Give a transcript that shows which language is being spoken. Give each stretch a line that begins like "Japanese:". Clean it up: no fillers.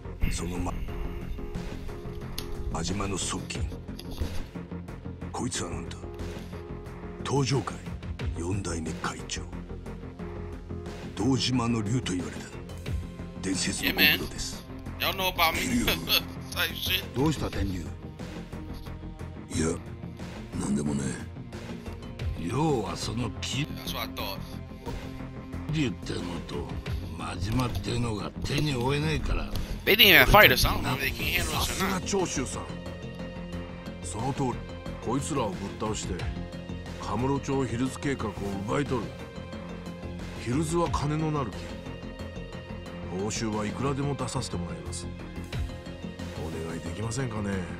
Japanese: そのま、真島の側近、こいつはなんだ、東条会四代目会長、堂島の竜と言われた伝説の国土です。キリュウ、どうした天竜？いや、なんでもねえ。要はそのキリュウってのと真島ってのが手に負えないから。
English: They didn't even fight us, I don't know if they can handle us or not.
Japanese: さすが長州さん。その通り、こいつらをぶっ倒して、カムロ町ヒルズ計画を奪い取る。ヒルズは金のなる木。報酬はいくらでも出させてもらいます。お願いできませんかね。